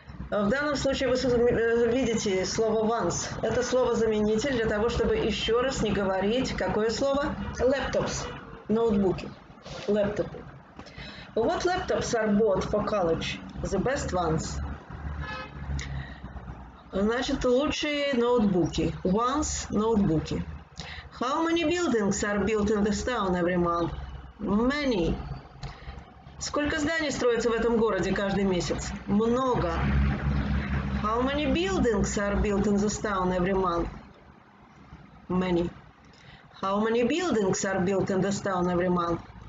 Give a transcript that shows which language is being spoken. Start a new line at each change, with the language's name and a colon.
Russian: В данном случае вы видите слово once. Это слово-заменитель для того, чтобы еще раз не говорить, какое слово?
English: Laptops.
Russian: Ноутбуки. Лэптопы.
English: What laptops are bought for college? The best ones.
Russian: Значит, лучшие ноутбуки. Once ноутбуки.
English: How many buildings are built in this town every month? Many.
Russian: Сколько зданий строится в этом городе каждый месяц? Много.
English: How many buildings are built in this town every month? Many. How many buildings are built in this town every month?